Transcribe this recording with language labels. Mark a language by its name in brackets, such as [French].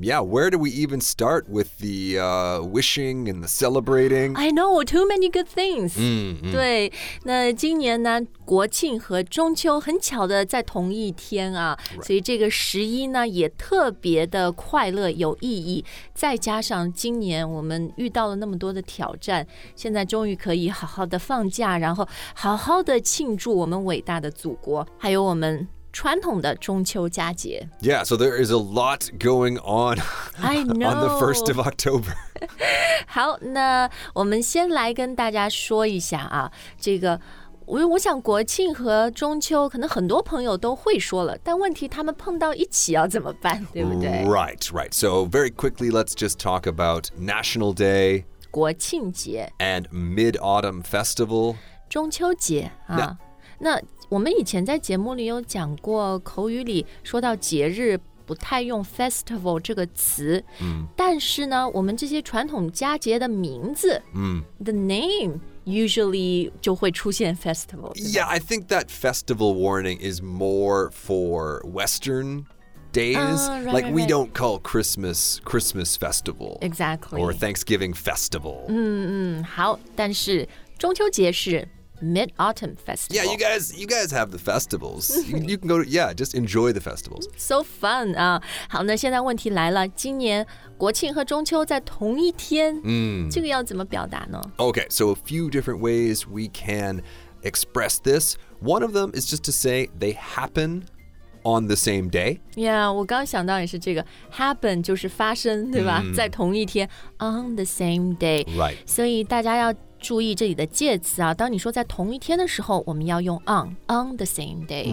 [English] Yeah, where do we even start with the wishing and the celebrating? I know, too many good things. Mm-hmm. [Chinese] 对，那今年呢，国庆和中秋很巧的在同一天啊，所以这个十一呢也特别的快乐有意义。再加上今年我们遇到了那么多的挑战，现在终于可以好好的放假，然后好好的庆祝我们伟大的祖国，还有我们传统的中秋佳节。 [English] Yeah, so there is a lot going on. I know. On the 1st of October. [Chinese] 好，那我们先来跟大家说一下啊，这个我想国庆和中秋可能很多朋友都会说了，但问题他们碰到一起要怎么办，对不对？ [English] Right, right. So very quickly, let's just talk about National Day. [Chinese] 国庆节。 [English] And Mid-Autumn Festival. [Chinese] 中秋节啊， yeah. 那我们以前在节目里有讲过，口语里说到节日不太用 festival 这个词、 mm. 但是呢我们这些传统佳节的名字、 mm. [English] the name usually [Chinese] 就会出现 [English] festival。 Yeah, I think that festival warning is more for western days、 right, like right, we don't call Christmas festival exactly or Thanksgiving festival. [Chinese] 好，但是中秋节是 Mid-Autumn Festival. [English] Yeah, you guys have the festivals. You can go to, yeah, just enjoy the festivals. So fun. [Chinese] 好，那现在问题来了，今年国庆和中秋在同一天，这个要怎么表达呢？ [English] Okay, so a few different ways we can express this. One of them is just to say they happen on the same day. [Chinese] Yeah, 我刚想到也是这个 happen 就是发生，对吧？在同一天 [English] on the same day. Right. [Chinese] 所以大家要注意这里的介词啊，当你说在同一天的时候，我们要用 [English] on the same day.